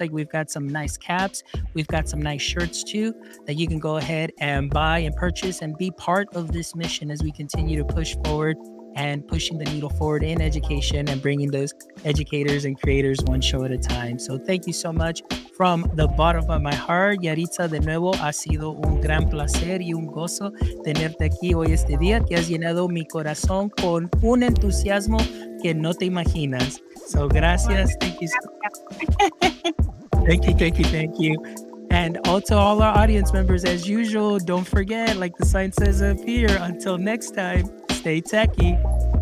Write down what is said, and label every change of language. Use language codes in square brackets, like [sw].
[en] Like, we've got some nice caps, we've got some nice shirts too that you can go ahead and buy and purchase and be part of this mission as we continue to push forward and pushing the needle forward in education and bringing those educators and creators one show at a time. So thank you so much from the bottom of my heart. [es] Yaritza, de nuevo, ha sido un gran placer y un gozo tenerte aquí hoy este día, que has llenado mi corazón con un entusiasmo que no te imaginas. [en] So gracias. Thank you. Thank you. And also all our audience members, as usual, don't forget, like the sign says up here, until next time, stay techie.